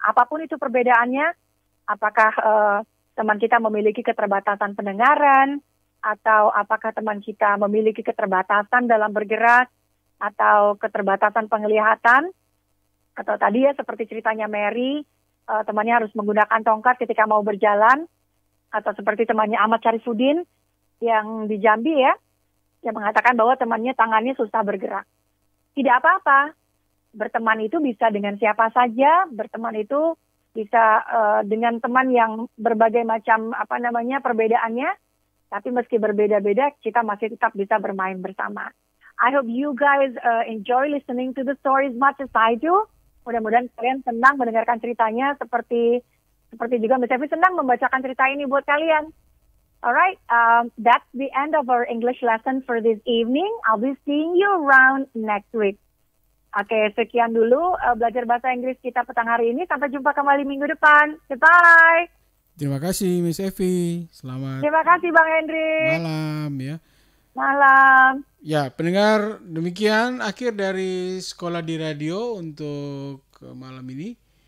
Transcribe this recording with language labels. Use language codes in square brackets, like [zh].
[id] Apapun itu perbedaannya, apakah teman kita memiliki keterbatasan pendengaran, atau apakah teman kita memiliki keterbatasan dalam bergerak, atau keterbatasan penglihatan, atau tadi ya seperti ceritanya Mary, temannya harus menggunakan tongkat ketika mau berjalan, atau seperti temannya Ahmad Syarifuddin yang di Jambi ya, yang mengatakan bahwa temannya tangannya susah bergerak. Tidak apa-apa, berteman itu bisa dengan siapa saja, berteman itu bisa dengan teman yang berbagai macam apa namanya perbedaannya, tapi meski berbeda-beda, kita masih tetap bisa bermain bersama. [en] I hope you guys enjoy listening to the story as much as I do. [id] Mudah-mudahan kalian senang mendengarkan ceritanya seperti juga Miss Evie senang membacakan cerita ini buat kalian. [en] Alright, that's the end of our English lesson for this evening. I'll be seeing you around next week. [id] Okay, sekian dulu belajar bahasa Inggris kita petang hari ini. Sampai jumpa kembali minggu depan. Goodbye. Terima kasih Miss Evie. Selamat. Terima kasih Bang Henry. Malam ya. Malam. Ya, pendengar, demikian akhir dari Sekolah di Radio untuk malam ini.